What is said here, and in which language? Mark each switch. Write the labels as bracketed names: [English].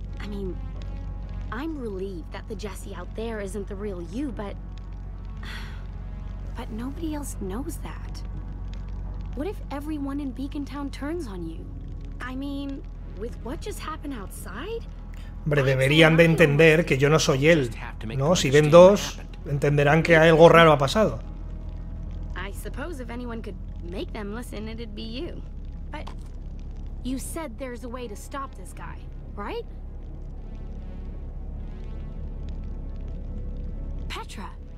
[English] I mean, I'm relieved that the Jesse out there isn't the real you, but nobody else knows that. What if everyone in Beacon Town turns on you? I mean, with what just happened outside? [Spanish] Hombre, deberían de entender que yo no soy él, ¿no? Si ven dos, entenderán que algo raro ha pasado. [English] I suppose if anyone could make them listen, it'd be you. But you said there's a way to stop this guy, right? Petra.